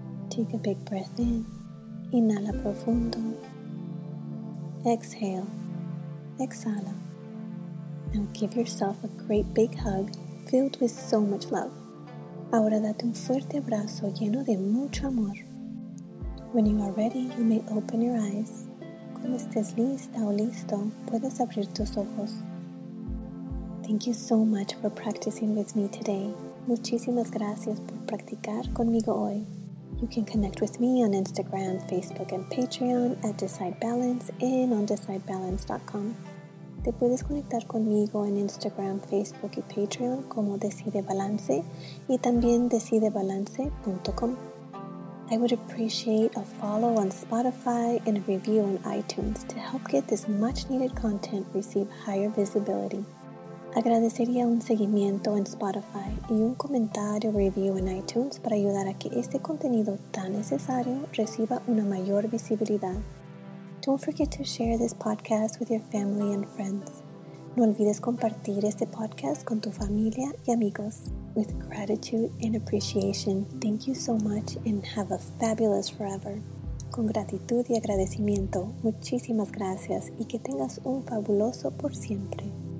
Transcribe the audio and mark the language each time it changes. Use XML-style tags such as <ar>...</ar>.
<en>Take a big breath in.</en> <es>Inhala profundo.</es> <en>Exhale.</en> <es>Exhala.</es> <en>Now give yourself a great big hug filled with so much love.</en> <es>Ahora date un fuerte abrazo lleno de mucho amor.</es> <en>When you are ready, you may open your eyes.</en> <es>Cuando estés lista o listo, puedes abrir tus ojos.</es> <en>Thank you so much for practicing with me today.</en> <es>Muchísimas gracias por practicar conmigo hoy.</es> <en>You can connect with me on Instagram, Facebook, and Patreon at Decide Balance and on DecideBalance.com.</en> <es>Te puedes conectar conmigo en Instagram, Facebook y Patreon como Decide Balance y también DecideBalance.com.</es> <en>I would appreciate a follow on Spotify and a review on iTunes to help get this much-needed content receive higher visibility.</en> <es>Agradecería un seguimiento en Spotify y un comentario review en iTunes para ayudar a que este contenido tan necesario reciba una mayor visibilidad.</es> <en>Don't forget to share this podcast with your family and friends.</en> <es>No olvides compartir este podcast con tu familia y amigos.</es> <en>With gratitude and appreciation, thank you so much and have a fabulous forever.</en> <es>Con gratitud y agradecimiento, muchísimas gracias y que tengas un fabuloso por siempre.</es>